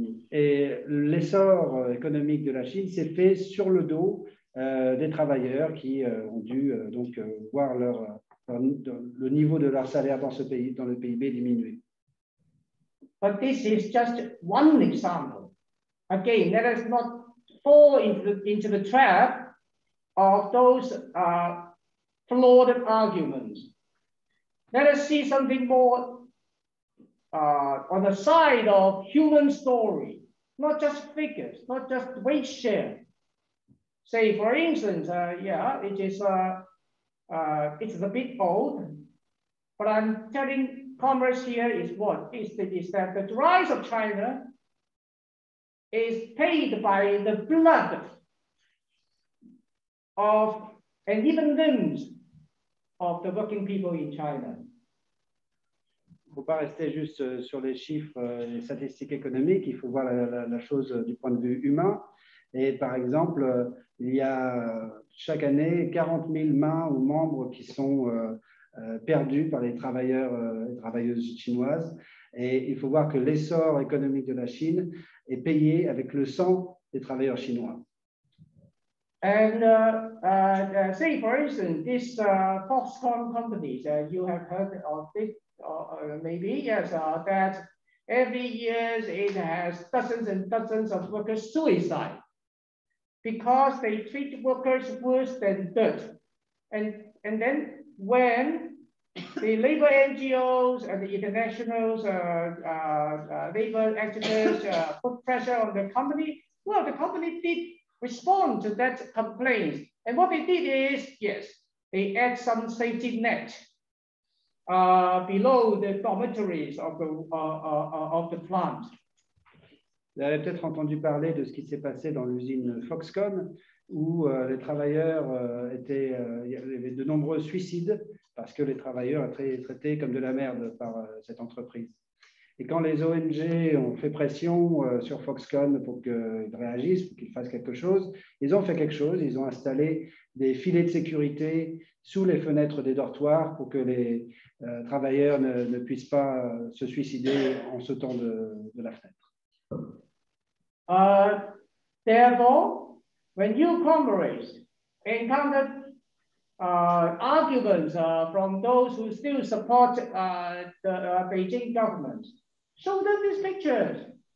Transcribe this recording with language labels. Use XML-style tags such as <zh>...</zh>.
<fr>Et l'essor économique de la Chine s'est fait sur le dos des travailleurs qui ont dû donc voir le niveau de leur salaire dans le PIB diminuer.</fr> <en>But this is just one example. Again, let us not fall into the trap of those flawed arguments. Let us see something more on the side of human story, not just figures, not just weight share. Say, for instance, it's a bit old, but I'm telling commerce here is what? Is that the rise of China is paid by the blood of and even limbs of the working people in China.</en> <fr>Il ne faut pas rester juste sur les chiffres et les statistiques économiques, il faut voir la chose du point de vue humain. Et par exemple, il y a chaque année 40 000 mains ou membres qui sont perdus par les travailleurs et travailleuses chinoises. Et il faut voir que l'essor économique de la Chine est payé avec le sang des travailleurs chinois.</fr> <en>Say for instance, this Foxconn company, you have heard of this. That every year it has dozens and dozens of workers suicide because they treat workers worse than dirt. And then when the labor NGOs and the internationals, labor activists put pressure on the company, well, the company did respond to that complaint. And what they did is, yes, they add some safety net below the dormitories of the plant.</en> <fr>Vous avez peut-être entendu parler de ce qui s'est passé dans l'usine Foxconn, où les travailleurs étaient, il y avait de nombreux suicides parce que les travailleurs étaient traités comme de la merde par cette entreprise. Et quand les ONG ont fait pression sur Foxconn pour qu'ils réagissent, pour qu'ils fassent quelque chose, ils ont fait quelque chose, ils ont installé des filets de sécurité sous les fenêtres des dortoirs pour que les travailleurs ne puissent pas se suicider en sautant de la fenêtre.</fr> <en>Therefore, when you comrades encounter arguments from those who still support the Beijing government, show them these pictures.</en>